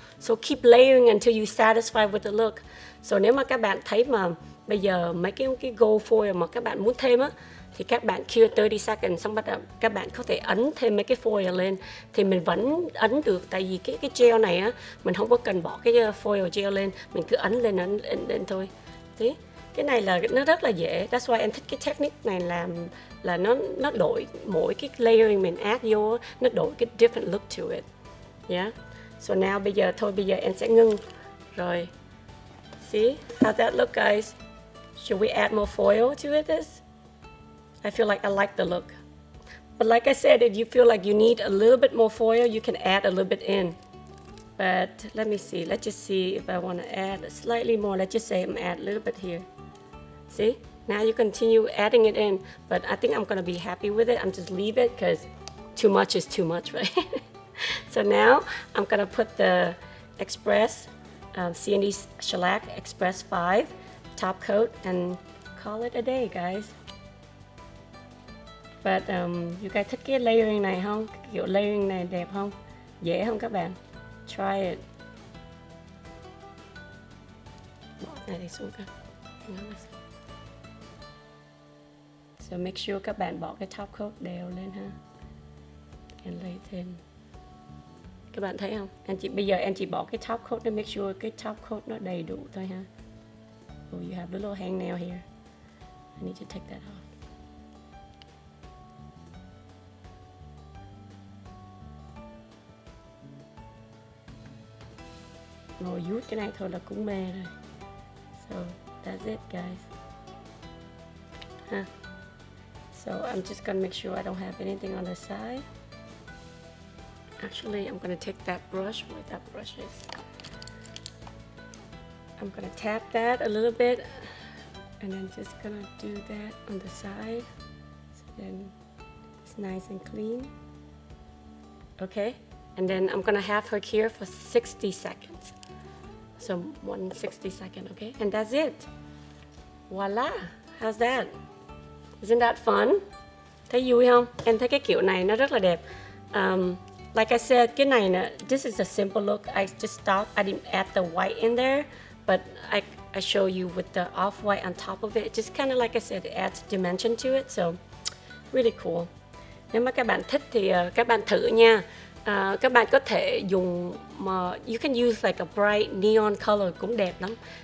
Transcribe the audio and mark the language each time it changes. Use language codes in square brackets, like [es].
[en] So keep layering until you're satisfied with the look. [vi] So nếu mà các bạn thấy mà bây giờ mấy cái gold foil mà các bạn muốn thêm á, thì các bạn cure 30 seconds xong bắt đầu các bạn có thể ấn thêm mấy cái foil lên, thì mình vẫn ấn được, tại vì cái gel này á, mình không có cần bỏ cái foil gel lên, mình cứ ấn lên ấn thôi. Thế cái này là nó rất là dễ, [en] that's why [vi] em thích cái technique này, làm là nó đổi mỗi cái layering mình add vô nó đổi cái [en] different look to it. Yeah, so now [vi] bây giờ thôi, bây giờ em sẽ ngưng rồi. [en] See how that look, guys? Should we add more foil to it? This, I feel like I like the look, but like I said, if you feel like you need a little bit more foil, you can add a little bit in. But let me see. Let's just see if I want to add slightly more. Let's just say I'm add a little bit here. See? Now you continue adding it in. But I think I'm going to be happy with it. I'm just leave it because too much is too much, right? So now I'm going to put the Express, C&D Shellac Express 5 top coat and call it a day, guys. But you guys [vi] thích cái layering này không? Kiểu layering này đẹp không? Dễ không các bạn? [en] Try it. [vi] Này đi xuống cơ. So make sure các bạn bỏ cái top coat đều lên ha. [en] And lay [vi] thêm. Các bạn thấy không? Anh chị bây giờ anh chị bỏ cái top coat để make sure cái top coat nó đầy đủ thôi ha. [en] Oh, you have a little hangnail here. I need to take that off. [vi] Ngồi vuốt cái này thôi là cũng mê rồi. [en] So that's it, guys. Huh. So I'm just gonna make sure I don't have anything on the side. Actually, I'm gonna take that brush where that brush is. I'm gonna tap that a little bit, and then just gonna do that on the side. So then it's nice and clean. Okay, and then I'm gonna have her here for 60 seconds. So 160 seconds, okay? And that's it. Voila! How's that? Isn't that fun? [vi] Thấy vui không? Em thấy cái kiểu này nó rất là đẹp. [en] Like I said, [vi] cái này nè, [en] this is a simple look. I just stopped. I didn't add the white in there, but I show you with the off-white on top of it. Just kind of like I said, it adds dimension to it. So really cool. [vi] Nếu mà các bạn thích thì các bạn thử nha. Các bạn có thể dùng [en] you can use like a bright neon color [vi] cũng đẹp lắm.